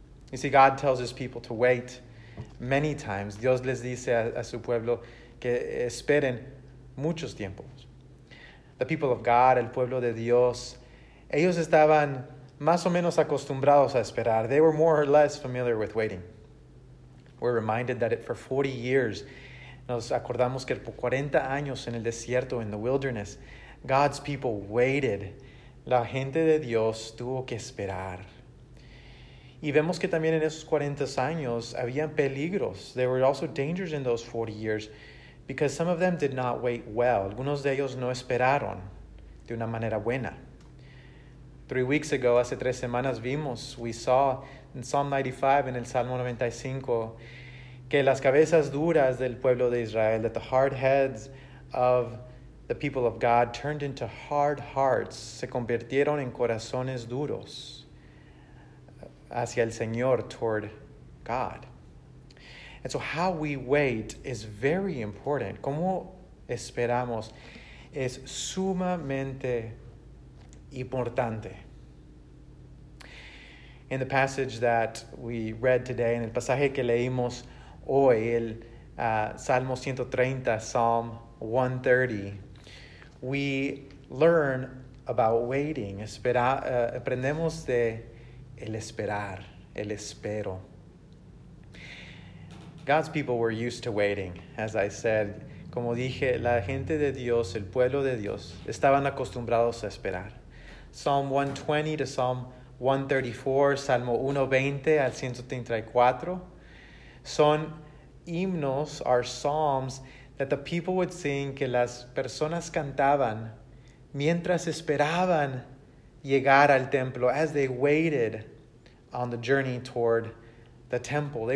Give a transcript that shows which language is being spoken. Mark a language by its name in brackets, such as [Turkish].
[English] You see, God tells his people to wait. Many times, [Spanish] Dios les dice a su pueblo que esperen muchos tiempos. [English] The people of God, [Spanish] el pueblo de Dios, ellos estaban más o menos acostumbrados a esperar. [English] They were more or less familiar with waiting. We're reminded that for 40 years, [Spanish] nos acordamos que por 40 años en el desierto, [English] in the wilderness, God's people waited. [Spanish] La gente de Dios tuvo que esperar. Y vemos que también en esos 40 años habían peligros. [English] There were also dangers in those 40 years because some of them did not wait well. [Spanish] Algunos de ellos no esperaron de una manera buena. [English] 3 weeks ago, [Spanish] hace 3 semanas, vimos, [English] we saw in Psalm 95, [Spanish] en el Salmo 95, que las cabezas duras del pueblo de Israel, [English] that the hard heads of the people of God turned into hard hearts, [Spanish] se convirtieron en corazones duros hacia el Señor, [English] toward God. And so how we wait is very important. [Spanish] Cómo esperamos es sumamente importante. [English] In the passage that we read today, [Spanish] en el pasaje que leímos hoy, el Salmo 130, [English] Psalm 130, we learn about waiting. [Spanish] Aprendemos de el esperar, el espero. [English] God's people were used to waiting, as I said. [Spanish] Como dije, la gente de Dios, el pueblo de Dios, estaban acostumbrados a esperar. [English] Psalm 120 to Psalm 134, [Spanish] Salmo 120 al 134, son himnos, [English] are psalms, that the people would sing, [Spanish] que las personas cantaban mientras esperaban llegar al templo, [English] as they waited on the journey toward the temple.